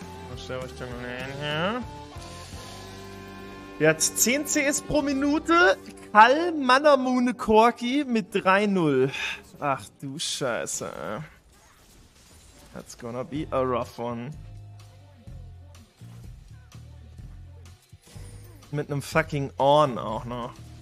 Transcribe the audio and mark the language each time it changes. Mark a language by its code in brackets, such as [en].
[de] Was soll ich denn nehmen hier? Der hat 10 CS pro Minute, Kal Manamune Corki mit 3-0. Ach du Scheiße, ey. [en] That's gonna be a rough one. [de] Mit einem fucking Orn auch noch.